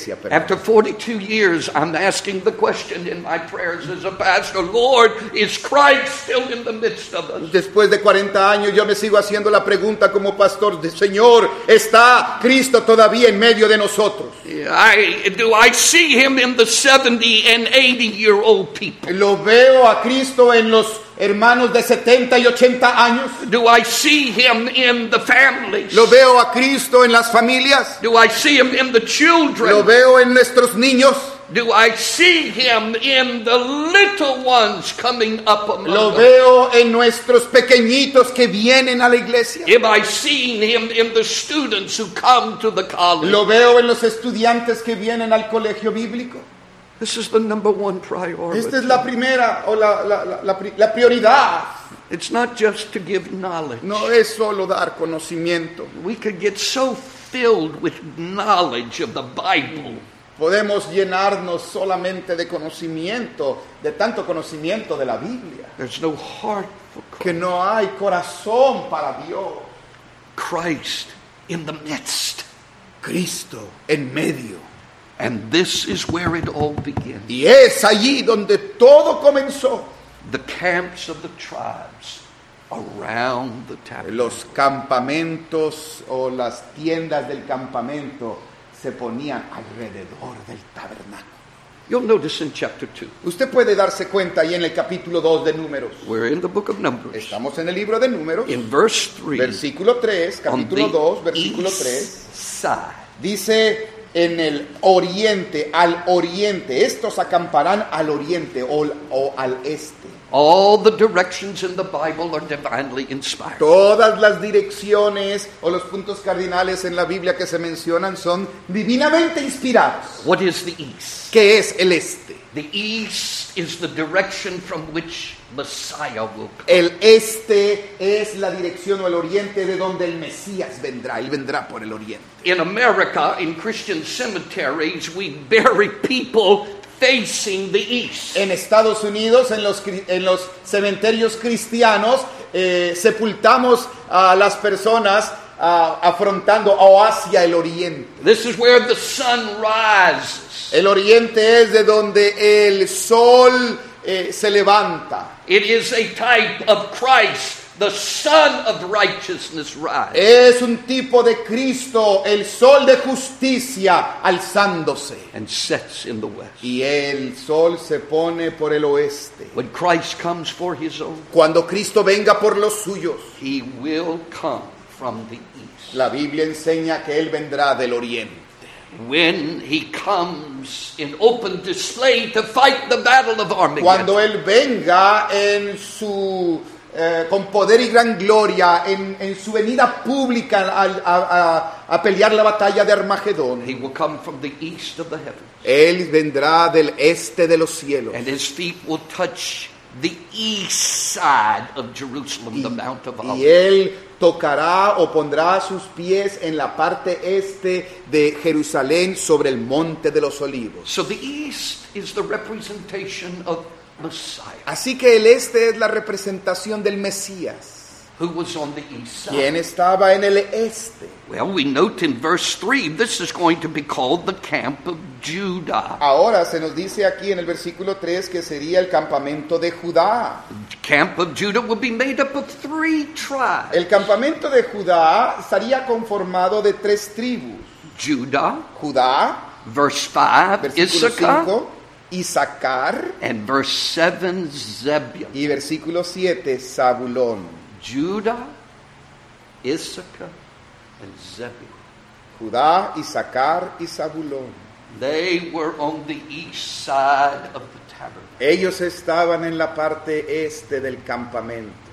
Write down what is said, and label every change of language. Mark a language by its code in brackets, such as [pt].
[en] After 42 years, I'm asking the question in my prayers as a pastor, Lord, is Christ still in the midst of us? [es] Después de 40 años, yo me sigo haciendo la pregunta como pastor, Señor, ¿está Cristo todavía en medio de nosotros? [en] Do I see him in the 70 and 80 year old people? [es] ¿Lo veo a Cristo en los hermanos de 70 y 80 años? [en] Do I see him in the families? [es] ¿Lo veo a Cristo en las familias? [en] Do I see him in the children? [es] ¿Lo veo en nuestros niños? [en] Do I see him in the little ones coming up among [es] ¿Lo veo en nuestros pequeñitos que vienen a la iglesia? [en] Am I seeing him in the students who come to the college? [es] ¿Lo veo en los estudiantes que vienen al colegio bíblico? [en] This is the number one priority. [es] Esta es la primera o la prioridad. [en] It's not just to give knowledge. [es] No es solo dar conocimiento. [en] We could get so filled with knowledge of the Bible. [es] Podemos llenarnos solamente de conocimiento, de tanto conocimiento de la Biblia. [en] There's no heart for God. [es] Que no hay corazón para Dios. [en] Christ in the midst. [es] Cristo en medio. [en] And this is where it all begins. [es] Y es allí donde todo comenzó. [en] The camps of the tribes around the tabernacle. [es] Los campamentos o las tiendas del campamento se ponían alrededor del tabernáculo. [en] You'll notice in chapter 2. [es] Usted puede darse cuenta ahí en el capítulo 2 de Números. [en] We're in the book of Numbers. [es] Estamos en el libro de Números. [en] In verse 3. [es] Versículo 3, capítulo 2, versículo 3. Dice en el oriente, al oriente. Estos acamparán al oriente o al este. [en] All the directions in the Bible are divinely inspired. [es] Todas las direcciones o los puntos cardinales en la Biblia que se mencionan son divinamente inspirados. [en] What is the east? [es] ¿Qué es el este? [en] The east is the direction from which Messiah will come. [es] El este es la dirección o el oriente de donde el Mesías vendrá. Él vendrá por el oriente. [en] In America, in Christian cemeteries, we bury people facing the east. [es] En Estados Unidos, en los cementerios cristianos, sepultamos a las personas afrontando o hacia el oriente. [en] This is where the sun rises. [es] El oriente es de donde el sol se levanta. [en] It is a type of Christ, the Son of Righteousness, rise. [es] Es un tipo de Cristo, el sol de justicia, alzándose. [en] And sets in the west. [es] Y el sol se pone por el oeste. [en] When Christ comes for his own, [es] cuando Cristo venga por los suyos, [en] he will come from the east. [es] La Biblia enseña que él vendrá del oriente. [en] When he comes in open display to fight the battle of Armageddon. [es] Cuando él venga en su con poder y gran gloria en su venida pública a pelear la batalla de Armagedón. [en] He will come from the east of the heavens. [es] Él vendrá del este de los cielos. [en] And his feet will touch the east side of Jerusalem, the Mount of Olives. [es] Y él tocará o pondrá sus pies en la parte este de Jerusalén sobre el Monte de los Olivos. [en] So the east is the representation of Messiah. [es] Así que el este es la representación del Mesías. [en] Who was on the east side? [es] ¿Quién estaba en el este? [en] Well, we note in verse 3, this is going to be called the camp of Judah. [es] Ahora se nos dice aquí en el versículo 3 que sería el campamento de Judá. [en] The camp of Judah would be made up of 3 tribes. [es] El campamento de Judá estaría conformado de 3 tribus. [en] Judah. [es] Judá. [en] Verse 5, Issachar. [es] Issachar. [en] And verse 7, Zebulun. [es] Y versículo 7, Zabulón. [en] Judah, Issachar, and Zebulun. [es] Judá, Issachar y Zabulón. [en] They were on the east side of the tabernacle. [es] Ellos estaban en la parte este del campamento.